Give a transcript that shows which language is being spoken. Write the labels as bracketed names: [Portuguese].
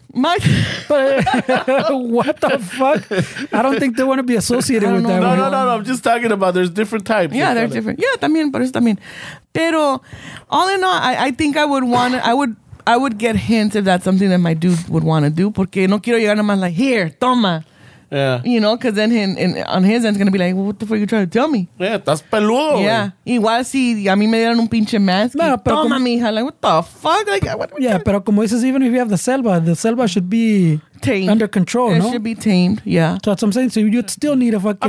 [English] My what the fuck? I don't think they want to be associated with that. No. I'm just talking about there's different types. Yeah, they're different. Yeah, [Spanish] también, por eso también. [English] Pero all in all, I think I would want to, I would get hints if that's something that my dude would want to do. [Spanish] Porque no quiero llegar nomás [English] like, here, [Spanish] toma. [English] Yeah. You know, because then on his end, it's going to be like, well, what the fuck are you trying to tell me? [Spanish] Yeah, estás peludo. Yeah. Igual si a mí me dieron un pinche mask. No, pero toma, mija. [English] Like, what the fuck? Like, [Spanish] pero como dices, [English] even if you have the selva should be tamed. Under control, it no? It should be tamed, yeah. So that's what I'm saying. So you'd still need a fucking